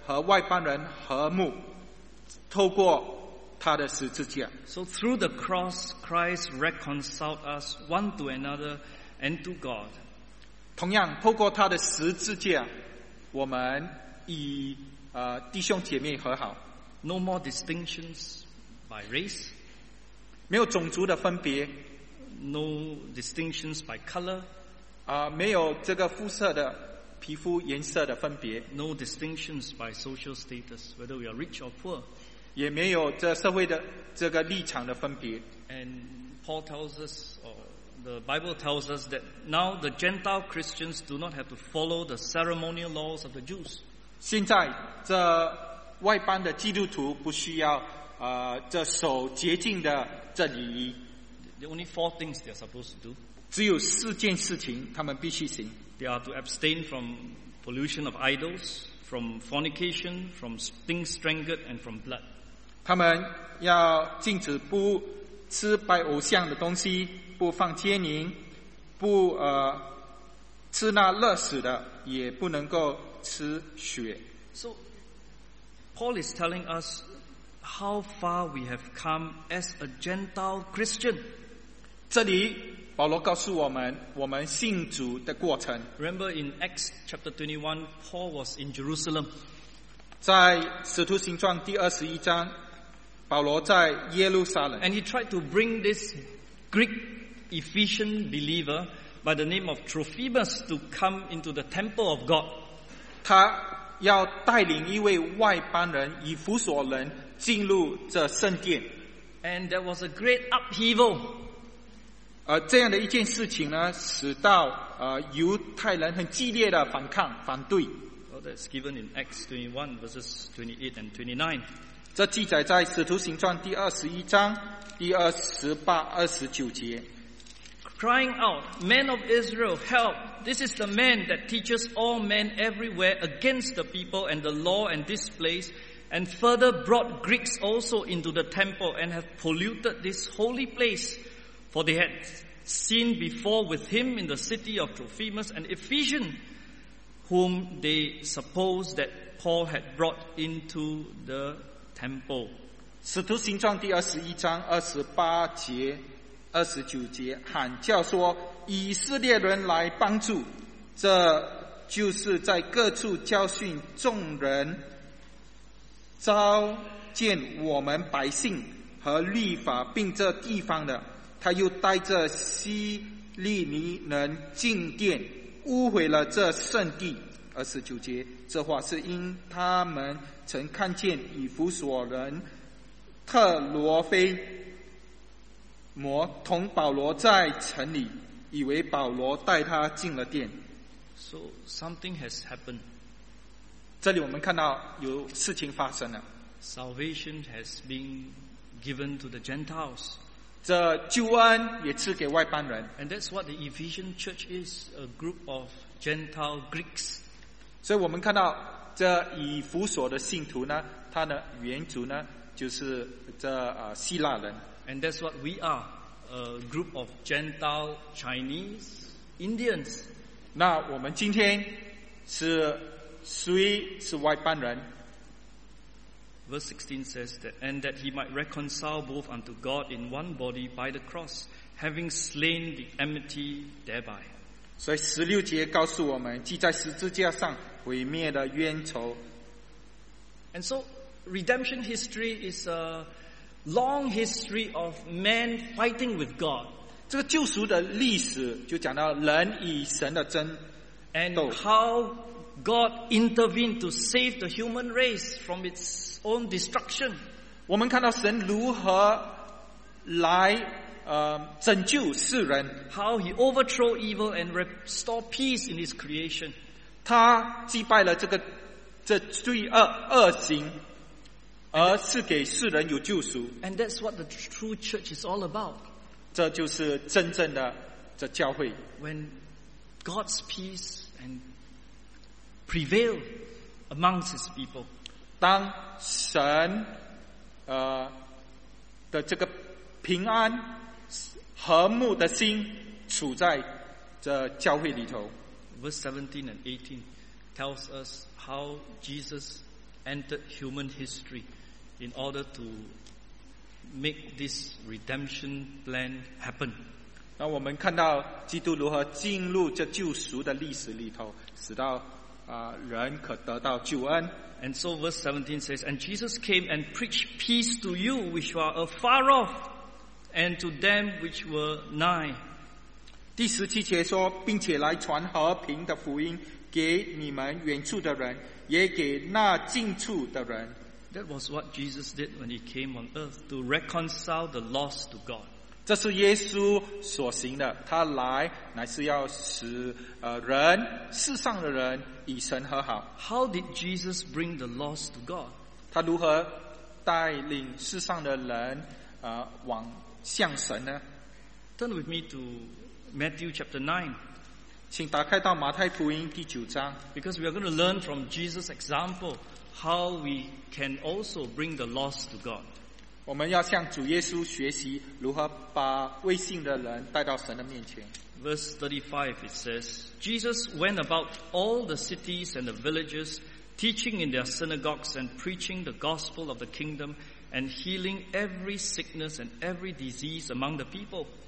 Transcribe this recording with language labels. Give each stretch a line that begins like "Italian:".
Chinese: 耶稣使犹太人和外邦人和睦, 透过他的十字架。
English: So through the cross, Christ reconciled us one to another and to God.
Chinese: 同样, 透过他的十字架, 我们与, 弟兄姐妹和好。
English: No more distinctions by race.
Chinese: 没有种族的分别。
English: No distinctions by color.
Chinese: 没有这个肤色的皮肤颜色的分别。
English: No distinctions by social status, whether we are rich or poor.
Chinese: 也没有这社会的这个立场的分别。
English: And Paul tells us, or the Bible tells us, that now the Gentile Christians do not have to follow the ceremonial laws of the Jews.
Chinese: 现在这外邦的基督徒不需要 这守洁净的这礼仪。
English: There are only four things they are supposed to do.
Chinese: 只有四件事情他们必须行。
English: They are to abstain from pollution of idols, from fornication, from things strangled, and from blood.
Chinese: 他们要禁止不吃拜偶像的东西, 不放奸淫, 不, 吃那乐死的, 也不能够吃血。
English: So, Paul is telling us how far we have come as a Gentile Christian.
Chinese: 这里保罗告诉我们, 我们信主的过程。
English: Remember in Acts chapter 21, Paul was in Jerusalem.
Chinese: 在使徒行传第21章, 保罗在耶路撒冷。
English: And he tried to bring this Greek Ephesian believer by the name of Trophimus to come into the temple of God.
Chinese: 他要带领一位外邦人以弗所人进入这圣殿。
English: And there was a great upheaval.
Chinese: 这样的一件事情呢, 使到, 犹太人很激烈的反抗, 反对。
English: Well, that's given in Acts 21, verses 28 and 29.
Chinese: 这记载在《使徒行传》第21章第28、29节。
English: Crying out, men of Israel, help! This is the man that teaches all men everywhere against the people and the law and this place, and further brought Greeks also into the temple and have polluted this holy place. For they had seen before with him in the city of Trophimus an Ephesian, whom they supposed that Paul had brought into the temple.
Chinese: 使徒行传第21章28节29节喊叫说，以色列人来帮助，这就是在各处教训众人，召见我们百姓和律法并这地方的。他又带着希利尼人进殿，污毁了这圣地。 29节，这话是因他们曾看见以弗所人特罗菲摩同保罗在城里，以为保罗带他进了殿。
English: So something has happened.
Chinese: 这里我们看到有事情发生了。
English: Salvation has been given to the Gentiles.
Chinese: 这救恩也赐给外邦人。
English: And that's what the Ephesian church is, a group of Gentile Greeks.
Chinese: 所以我们看到这以弗所的信徒呢，他的原族呢就是这希腊人。
English: And that's what we are, a group of Gentile Chinese Indians.
Chinese: 那我们今天是谁是外邦人？
English: Verse 16 says that, and that he might reconcile both unto God in one body by the cross, having slain the enmity thereby.
Chinese: 所以十六节告诉我们，既在十字架上毁灭的冤仇。
English: And so, redemption history is a long history of man fighting with God.
Chinese: 这个救赎的历史就讲到人与神的争斗。
English: And how God intervened to save the human race from its own destruction.
Chinese: 我们看到神如何来拯救世人。
English: How he overthrew evil and restored peace in his creation.
Chinese: 他击败了这罪恶恶行。而是给世人有救赎。
English: And that's what the true church is all about.
Chinese: 这就是真正的这教会。
English: When God's peace and prevail amongst his people.
Chinese: 当神的这个平安和睦的心处在这教会里头。
English: Verse 17 and 18 tells us how Jesus entered human history. In order to make this redemption plan happen.
Chinese: 那我们看到基督如何进入这救赎的历史里头，使到人可得到救恩。
English: And so verse 17 says, And Jesus came and preached peace to you which were afar off, and to them which were nigh.
Chinese: 第十七节说，并且来传和平的福音给你们远处的人，也给那近处的人。
English: That was what Jesus did when he came on earth to reconcile the lost to God.
Chinese: 这是耶稣所行的，他来乃是要使人世上的人与神和好。
English: How did Jesus bring the lost to God?
Chinese: 他如何带领世上的人往向神呢？
English: Turn with me to Matthew chapter 9.
Chinese: 请打开到马太福音第九章。
English: Because we are going to learn from Jesus' example how we can also bring the lost to God.
Chinese: 我们要向主耶稣学习如何把未信的人带到神的面前。
English: Verse 35 it says, Jesus went about all the cities and the villages, teaching in their synagogues and preaching the gospel of the kingdom and healing every sickness and every disease among the people.